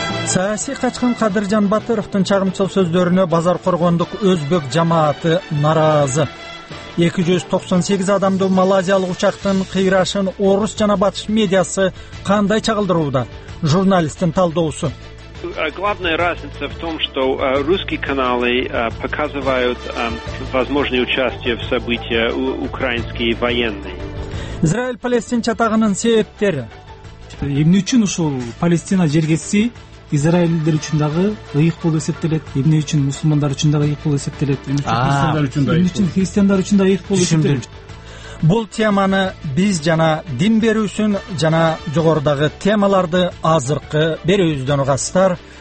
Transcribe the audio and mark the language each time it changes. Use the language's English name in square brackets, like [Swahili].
[Kyrgyz] Саясий качкан Кадыржан Батыровтун чагымчыл сөздөрүнө базар коргондук өзбек жамааты нааразы. 298 адамды Малайзиялык учактын кыйрашын орус жана батыш медиасы кандай чагылдырууда? Журналисттин талдоосу. [Russian] Главная разница в том, что русские каналы показывают возможные участия в событиях украинские военные. [Kyrgyz] Израиль-Палестин чатагынын себептери. Эмне үчүн ушул Палестина жергеси Израилдер үчүн дагы ыйык болуп эсептелет? Эмне үчүн мусулмандар үчүн дагы ыйык болуп эсептелет? Эмне үчүн христиандар үчүн дагы ыйык болуп эсептелет? Бул теманы биз жана дин берүүсүн жана жогорудагы темаларды азыркы берүүбүздөн угасыздар.